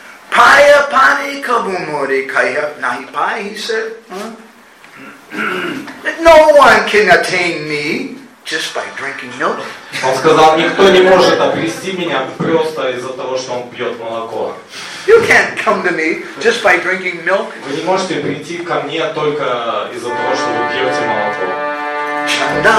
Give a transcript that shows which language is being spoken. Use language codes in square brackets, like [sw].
[bn] Paya pani kabumori kaya nahi pai, [en] he said. No one can attain me just by drinking milk. [ru] Он сказал, никто не может обрести меня просто из-за того, что он пьет молоко. [en] You can't come to me just by drinking milk. [ru] Вы не можете прийти ко мне только из-за того, что вы пьете молоко.